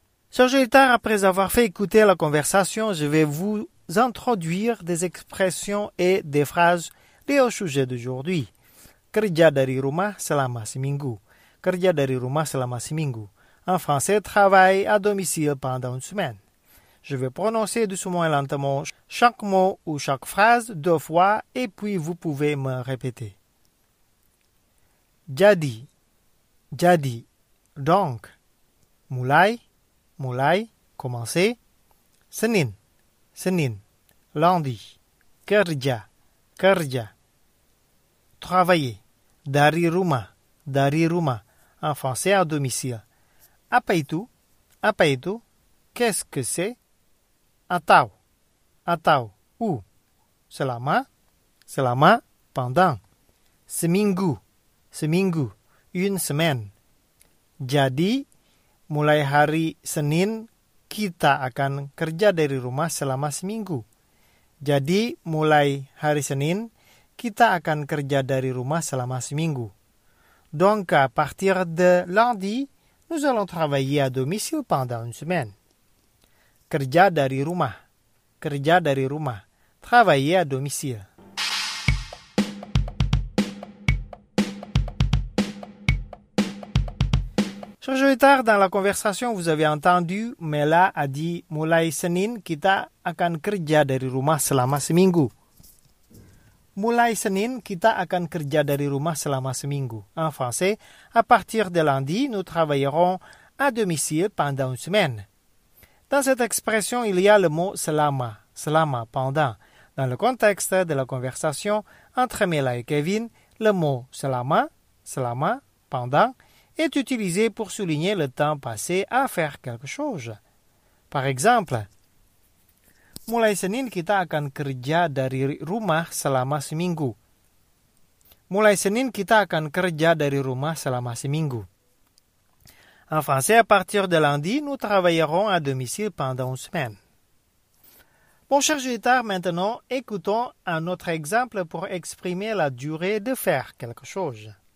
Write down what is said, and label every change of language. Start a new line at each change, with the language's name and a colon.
French: Sergeant, après avoir fait écouter la conversation, je vais vous introduire des expressions et des phrases liées au sujet d'aujourd'hui.
Indonesian: Kerja dari rumah selama seminggu. Kerja dari rumah selama seminggu.
French: En français, travail à domicile pendant une semaine. Je vais prononcer doucement et lentement chaque mot ou chaque phrase deux fois et puis vous pouvez me répéter.
Indonesian: Jadi. Jadi.
French: Donc.
Indonesian: Mulai. Mulai,
French: commencer.
Indonesian: Senin, senin.
French: Lundi.
Indonesian: Kerja, kerja.
French: Travailler.
Indonesian: Dari rumah, dari rumah.
French: En français, à domicile.
Indonesian: Apa itu? Apa itu?
French: Qu'est-ce que c'est?
Indonesian: Atau, atau.
French: Où?
Indonesian: Selama, selama.
French: Pendant.
Indonesian: Seminggu, seminggu.
French: Une semaine.
Indonesian: Jadi, mulai hari Senin, kita akan kerja dari rumah selama seminggu. Jadi, mulai hari Senin, kita akan kerja dari rumah selama seminggu.
French: Donc, à partir de lundi, nous allons travailler à domicile pendant une semaine.
Indonesian: Kerja dari rumah. Kerja dari rumah.
French: Travailler à domicile. Sur le tard dans la conversation, vous avez entendu Mela a dit
Indonesian: mulai Senin kita akan kerja dari rumah selama seminggu. Mulai Senin kita akan kerja dari rumah selama seminggu.
French: En français, à partir de lundi, nous travaillerons à domicile pendant une semaine. Dans cette expression, il y a le mot selama, selama pendant. Dans le contexte de la conversation entre Mela et Kevin, le mot selama, selama pendant est utilisé pour souligner le temps passé à faire quelque chose. Par exemple,
Indonesian: mulai Senin kita akan kerja dari rumah selama seminggu. Mulai Senin kita akan kerja dari rumah selama seminggu.
French: En français, à partir de lundi, nous travaillerons à domicile pendant une semaine. Bon, chers auditeurs, maintenant, écoutons un autre exemple pour exprimer la durée de faire quelque chose.